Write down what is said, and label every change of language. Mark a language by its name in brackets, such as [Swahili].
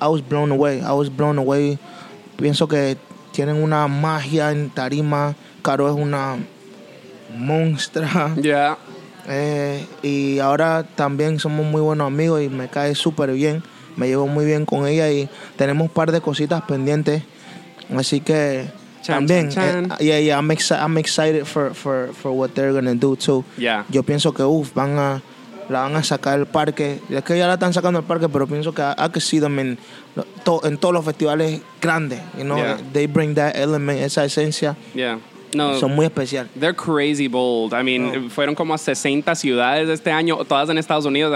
[English] I was blown away. [Spanish] Pienso que tienen una magia en tarima. Caro es una monstrua. Ya. Yeah. Y ahora también somos muy buenos amigos y me cae súper bien. Me llevo muy bien con ella y tenemos un par de cositas pendientes. Así que [English] I'm excited for what they're gonna do too. Yeah. [Spanish] Yo pienso que van a sacar el parque. Es que ya la están sacando el parque, pero pienso que [English] I could see them [Spanish] en todos los festivales grandes. [English] You know, yeah, they bring that element, [Spanish] esa esencia. Yeah. No, son muy especial. [English] They're crazy bold. I mean, [Spanish] no, fueron como a 60 ciudades este año, todas en Estados Unidos.